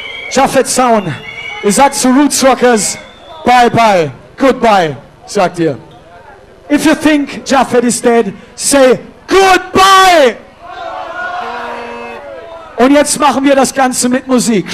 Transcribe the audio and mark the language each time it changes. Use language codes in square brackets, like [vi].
[de] Japhet Sound, ihr sagt zu Roots Rockers, [en] bye bye, goodbye, [de] sagt ihr. [en] If you think Japhet is dead, say goodbye! [de] Und jetzt machen wir das Ganze mit Musik.